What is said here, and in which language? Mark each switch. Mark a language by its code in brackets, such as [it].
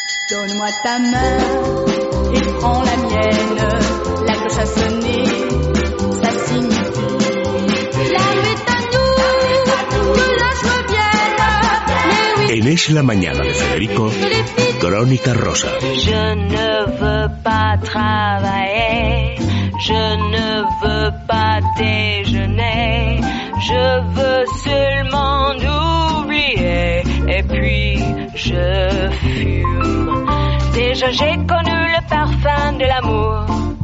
[fr] Donne-moi ta main et prends la mienne. La cloche a sonné, ça signifie l'amour est à nous, que la joie vienne. [es] En Es la mañana de Federico, Crónica Rosa. [fr] Je ne veux pas travailler, je ne veux pas déjeuner, je veux seulement oublier. Et puis je fume. Déjà j'ai connu le parfum de l'amour.